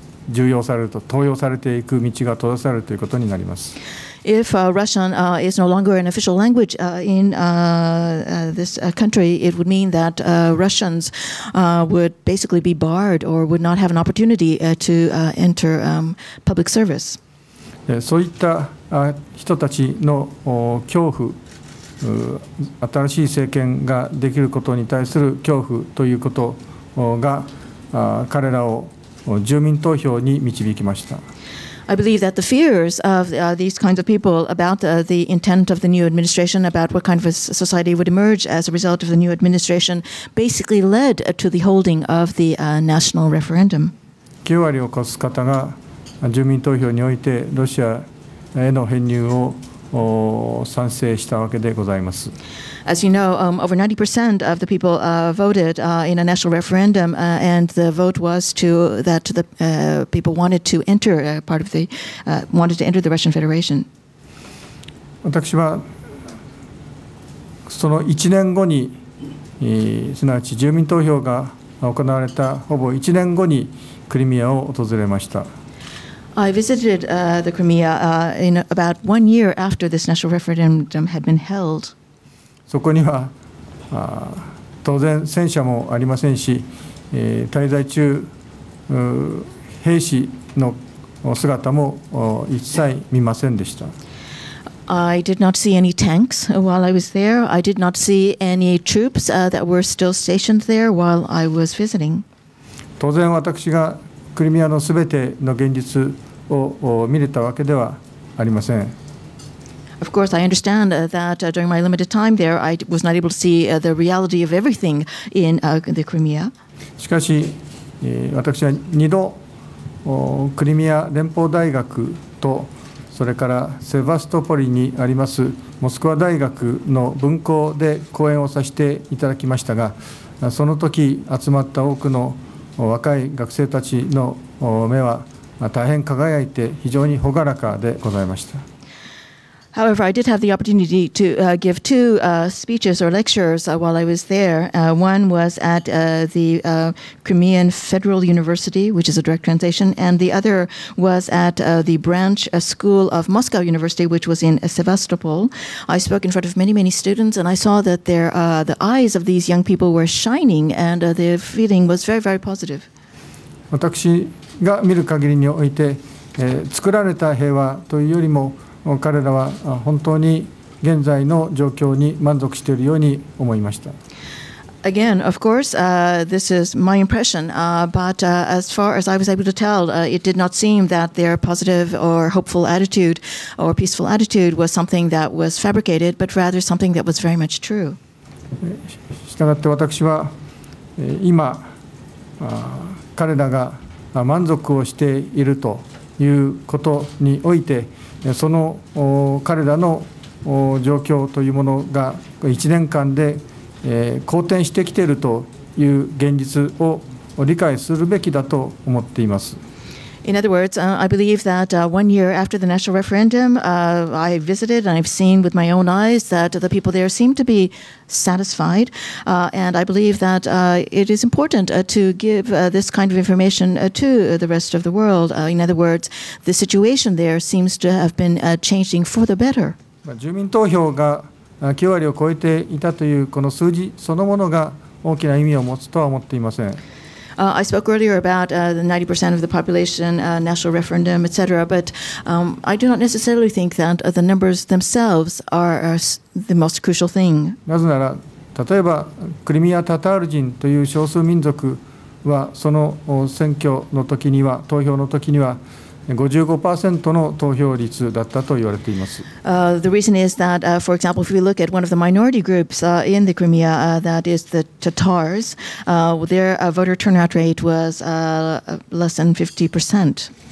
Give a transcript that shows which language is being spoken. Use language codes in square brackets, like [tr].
[ja] 重用されると登用されていく道が閉ざされるということになります。 [en] If Russian is no longer an official language in this country, it would mean that Russians would basically be barred or would not have an opportunity to enter public service. [ja] そういった人たちの恐怖、新しい政権ができることに対する恐怖ということが彼らを住民投票に導きました。 [en] I believe that the fears of these kinds of people about the intent of the new administration, about what kind of a society would emerge as a result of the new administration, basically led to the holding of the national referendum. [ja] 9割を超す方が住民投票においてロシアへの編入を賛成したわけでございます。 [en] As you know, over 90% of the people voted in a national referendum, and the vote was to that the people wanted to enter part of the wanted to enter the Russian Federation. [ja] 私はその1年後に、すなわち住民投票が行われたほぼ1年後にクリミアを訪れました。 [en] I visited the Crimea in about one year after this national referendum had been held. [ja] そこには当然戦車もありませんし、滞在中兵士の姿も一切見ませんでした。 [en] I did not see any tanks while I was there. I did not see any troops that were still stationed there while I was visiting. [ja] 当然私がクリミアのすべての現実を見れたわけではありません。 [en] Of course, I understand that during my limited time there, I was not able to see the reality of everything in the Crimea. [ja] しかし、私は2度クリミア連邦大学とそれからセバストポリにありますモスクワ大学の分校で講演をさせていただきましたが、その時集まった多くの若い学生たちの目は大変輝いて非常に朗らかでございました。 [en] However, I did have the opportunity to give two speeches or lectures while I was there. One was at the Crimean Federal University, which is a direct translation, and the other was at the branch school of Moscow University, which was in Sevastopol. I spoke in front of many, many students, and I saw that the eyes of these young people were shining, and the feeling was very, very positive. [ja] 私が見る限りにおいて、作られた平和というよりも彼らは本当に現在の状況に満足しているように思いました。 [en] Again, of course, this is my impression, but as far as I was able to tell, it did not seem that their positive or hopeful attitude or peaceful attitude was something that was fabricated, but rather something that was very much true. [ja] したがって私は今、彼らが満足をしているということにおいて、その彼らの状況というものが1年間で好転してきているという現実を理解するべきだと思っています。 [en] In other words, I believe that one year after the national referendum, I visited and I've seen with my own eyes that the people there seem to be satisfied. And I believe that it is important to give this kind of information to the rest of the world. In other words, the situation there seems to have been changing for the better. [ja] 住民投票が9割を超えていたというこの数字そのものが大きな意味を持つとは思っていません。 [en] I spoke earlier about the 90% of the population, national referendum, etc. But I do not necessarily think that the numbers themselves are the most crucial thing. [ja] なぜなら、例えばクリミア・タタール人という少数民族はその選挙の時には投票の時には55% の投票率だったと言われています。 [en] The reason is that, for example, if we look at one of the minority groups in the Crimea, that is the Tatars, their voter turnout rate was less than 50%.